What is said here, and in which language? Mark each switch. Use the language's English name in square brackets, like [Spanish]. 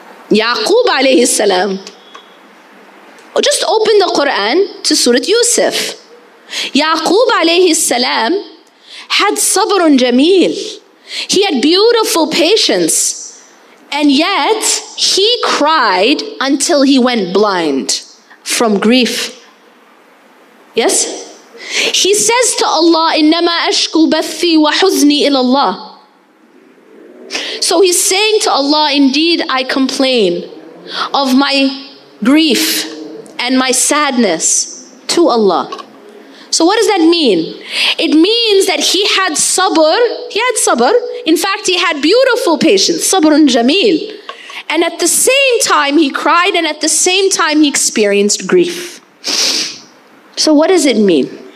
[English] Yaqub alayhi salam. Just open the Quran to Surah Yusuf. Yaqub alayhi salam had sabrun jameel. He had beautiful patience. And yet, he cried until he went blind from grief. Yes? He says to Allah, [Arabic] إِنَّمَا أَشْكُوا بَثِّي وَحُزْنِي إِلَى اللَّهِ. [English] So he's saying to Allah, indeed I complain of my grief and my sadness to Allah. So what does that mean? It means that he had sabr. He had sabr. In fact, he had beautiful patience. Sabrun jameel. And at the same time he cried, and at the same time he experienced grief. So what does it mean?